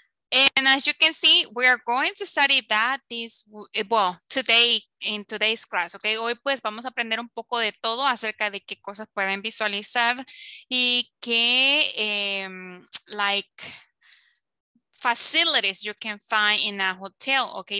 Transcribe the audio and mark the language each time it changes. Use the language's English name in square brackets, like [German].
[English] And as you can see, we are going to study that today, in today's class, okay? [Spanish] Hoy pues vamos a aprender un poco de todo acerca de qué cosas pueden visualizar y qué, like, [English] facilities you can find in a hotel, okay?